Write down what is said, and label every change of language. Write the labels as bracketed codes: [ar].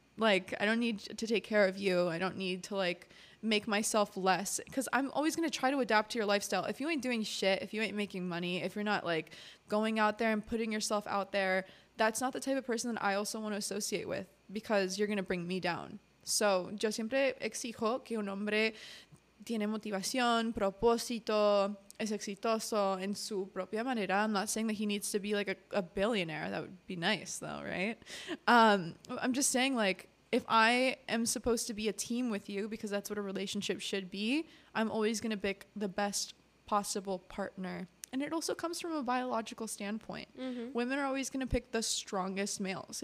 [en] Like, I don't need to take care of you. I don't need to, like, make myself less. Because I'm always going to try to adapt to your lifestyle. If you ain't doing shit, if you ain't making money, if you're not, like, going out there and putting yourself out there, that's not the type of person that I also want to associate with. Because you're going to bring me down. [es] So, yo siempre exijo que un hombre tiene motivación, propósito, es exitoso en su propia manera. [en] I'm not saying that he needs to be like a billionaire. That would be nice though, right? I'm just saying like, if I am supposed to be a team with you because that's what a relationship should be, I'm always going to pick the best possible partner. And it also comes from a biological standpoint. Mm-hmm. Women are always going to pick the strongest males.